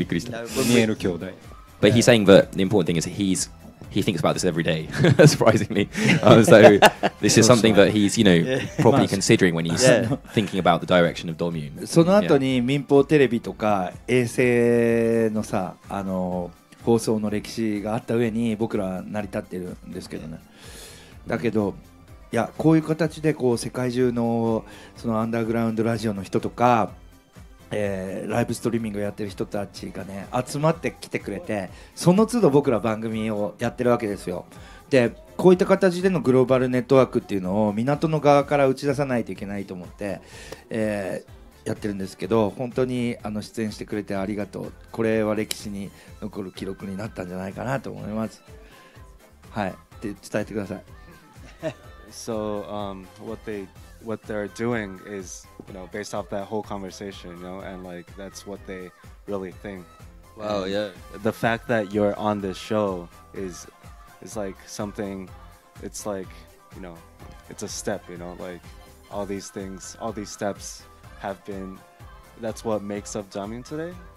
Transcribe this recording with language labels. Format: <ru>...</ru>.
<en>But he's saying that the important thing is he thinks about this every day, surprisingly. So this is something that he's, you know, probably considering when he's thinking about the direction of DOMMUNE.</en> <ja>その後に民放テレビとか衛星のさ、あの放送の歴史があった上に僕ら成り立ってるんですけどね。だけど、いや、こういう形でこう世界中のそのアンダーグラウンドラジオの人とか、ライブストリーミングをやってる人たちがね、集まってきてくれて、その都度僕ら番組をやってるわけですよ。で、こういった形でのグローバルネットワークっていうのを港の側から打ち出さないといけないと思って、やってるんですけど、本当にあの出演してくれてありがとう。これは歴史に残る記録になったんじゃないかなと思います。はい、って伝えてください。</ja> <en>So, what they're doing is, you know, based off that whole conversation, you know, and like that's what they really think. Wow, and yeah. The fact that you're on this show is like something, it's like, you know, it's a step, you know, like all these things, all these steps have been, that's what makes up DOMMUNE today.</en>